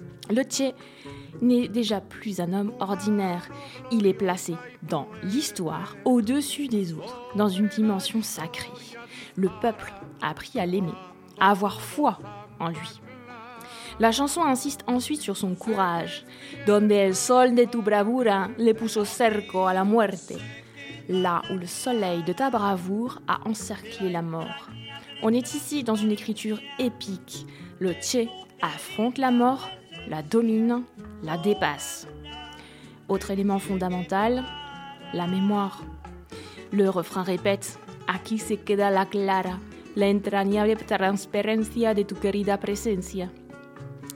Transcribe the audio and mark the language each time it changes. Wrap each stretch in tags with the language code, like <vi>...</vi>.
<fr>Le Che n'est déjà plus un homme ordinaire. Il est placé dans l'histoire, au-dessus des autres, dans une dimension sacrée. Le peuple a appris à l'aimer, à avoir foi en lui. La chanson insiste ensuite sur son courage.</fr> <es>Donde el sol de tu bravura le puso cerco a la muerte.</es> <fr>Là où le soleil de ta bravoure a encerclé la mort. On est ici dans une écriture épique. Le Che affronte la mort, la domine, la dépasse. Autre élément fondamental, la mémoire. Le refrain répète « Aquí se queda la clara, la entrañable transparencia de tu querida presencia ».</fr>